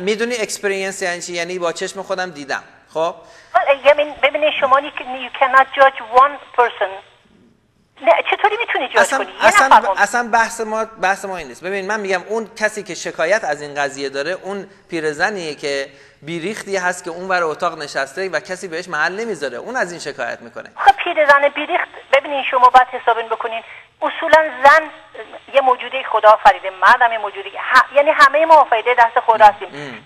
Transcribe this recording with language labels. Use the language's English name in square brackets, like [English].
[Persian] نه، میدونی experience یعنی چی؟ یعنی با چشم خودم دیدم. خب؟ [English] Well, I mean, [Persian] ببینی شما [English] you cannot judge one person. [Persian] چطوری میتونی جاج کنی؟ اصلا بحث ما این نیست. ببین من میگم اون کسی که شکایت از این قضیه داره، اون پیرزنیه که بیریختی هست که اون ور اتاق نشسته و کسی بهش محل نمیذاره، اون از این شکایت میکنه. خب پیرزن بیریخت، ببینین شما باید حسابین بکنین، اصولا زن یه موجودی خدا آفریده، مردم یه موجودی یعنی همه ما آفریده دست خدا هستیم.